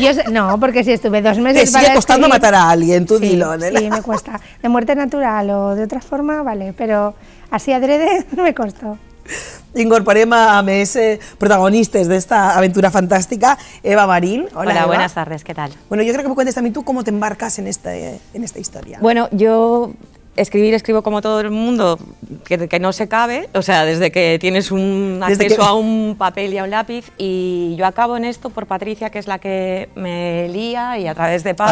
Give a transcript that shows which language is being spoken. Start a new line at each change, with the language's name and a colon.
Spanish: No, porque si estuve 2 meses. Te sigue para costando escribir, matar a alguien, tú sí, dilo. ¿Eh? Sí, me cuesta. De muerte natural o de otra forma, vale, pero así adrede me costó.
Catalan: Incorporem a més protagonistes d'esta aventura fantàstica, Eva Marín.
Spanish: Hola, Eva. Buenas tardes, ¿qué tal? Bueno, yo creo que me cuentes también tú cómo te embarcas en esta historia. Bueno, yo... Escribo como todo el mundo, que no se cabe, o sea, desde que tienes un acceso a un papel y a un lápiz, y yo acabo en esto por Patricia, que es la que me lía, y a través de Pablo.